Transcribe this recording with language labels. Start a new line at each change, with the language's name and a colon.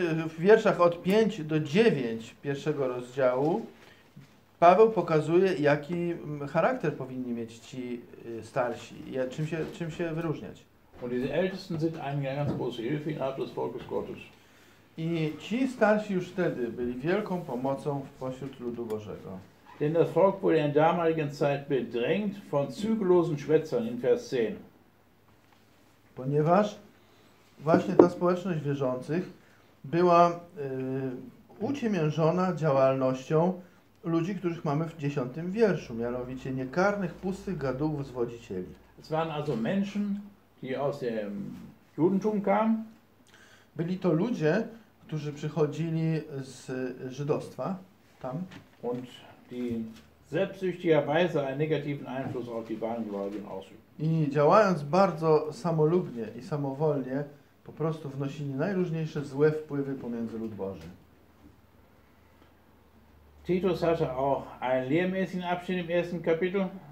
Polish: W wierszach od 5 do 9 pierwszego rozdziału Paweł pokazuje, jaki charakter powinni mieć ci starsi, czym się wyróżniać.
German: Und diese Ältesten sind einem ja ganz große Hilfe innerhalb des Volkes Gottes.
Polish: I ci starsi już wtedy byli wielką pomocą pośród ludu Bożego.
German: Denn das Volk wurde in damaligen Zeit bedrängt von zügellosen Schwätzern in Vers 10.
Polish: Ponieważ właśnie ta społeczność wierzących była uciemiężona działalnością ludzi, których mamy w 10 wierszu, mianowicie niekarnych, pustych gadułów zwodzicieli.
German: Es waren also Menschen, die aus dem Judentum kamen.
Polish: Byli to ludzie, którzy przychodzili z żydostwa tam.
German: Und die selbstsüchtigerweise einen negativen Einfluss auf die wahren Gläubigen ausübten.
Polish: I działając bardzo samolubnie i samowolnie, po prostu wnosili najróżniejsze złe wpływy pomiędzy lud Boży.
German: Titus hatte auch einen lehrmäßigen Abschnitt im ersten Kapitel.